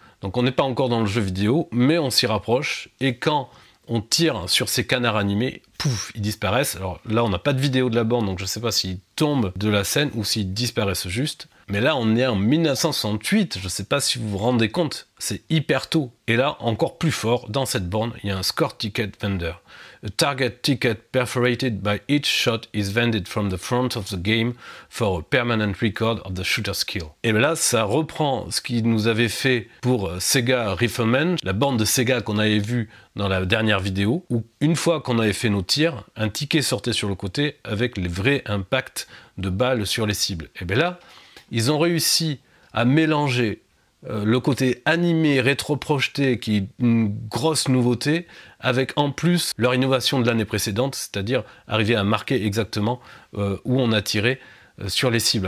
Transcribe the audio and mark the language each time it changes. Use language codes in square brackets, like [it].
[fr] Donc on n'est pas encore dans le jeu vidéo, mais on s'y rapproche, et quand on tire sur ces canards animés, pouf, ils disparaissent. Alors là, on n'a pas de vidéo de la bande, donc je ne sais pas s'ils tombent de la scène ou s'ils disparaissent juste. Mais là, on est en 1968, je ne sais pas si vous vous rendez compte, c'est hyper tôt. Et là, encore plus fort, dans cette borne, il y a un [en] score ticket vendor. A target ticket perforated by each shot is vended from the front of the game for a permanent record of the shooter's kill. [fr] Et là, ça reprend ce qu'il nous avait fait pour Sega Rifleman, la bande de Sega qu'on avait vue dans la dernière vidéo, où une fois qu'on avait fait nos tirs, un ticket sortait sur le côté avec les vrais impacts de balles sur les cibles. Et bien là, ils ont réussi à mélanger le côté animé, rétro-projeté, qui est une grosse nouveauté, avec en plus leur innovation de l'année précédente, c'est-à-dire arriver à marquer exactement où on a tiré sur les cibles.